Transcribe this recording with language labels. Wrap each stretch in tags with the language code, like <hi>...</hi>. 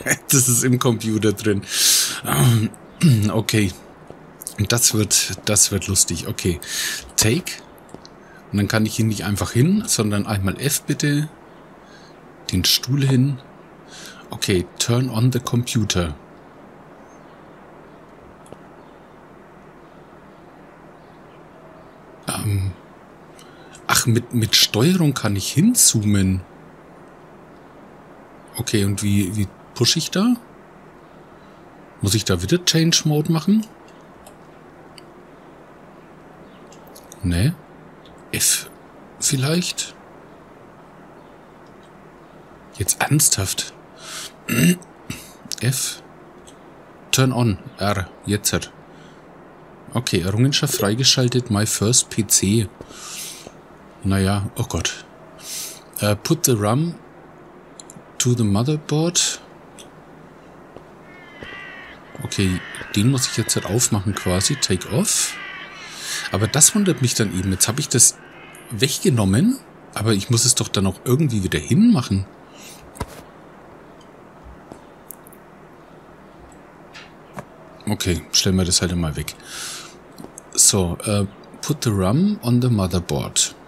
<de>Das ist im Computer drin. Okay. Das wird lustig. Okay. Take. Und dann kann ich ihn nicht einfach hin, sondern einmal F bitte. Den Stuhl hin.</de> <en>Okay, turn on the computer.</en> <de>Mit Steuerung kann ich hinzoomen. Okay, und wie push ich da? Muss ich da wieder Change Mode machen? Ne? F vielleicht? Jetzt ernsthaft. F. Turn on. R. Jetzt. Okay, Errungenschaft freigeschaltet.</de> <en>My first PC.</en> <de>Naja, oh Gott.</de> <en>Put the RAM to the motherboard.</en> <de>Okay, den muss ich jetzt halt aufmachen quasi.</de> <en>Take off.</en> <de>Aber das wundert mich dann eben. Jetzt habe ich das weggenommen, aber ich muss es doch dann auch irgendwie wieder hinmachen. Okay, stellen wir das halt einmal weg.</de> <en>So, put the RAM on the motherboard.</en>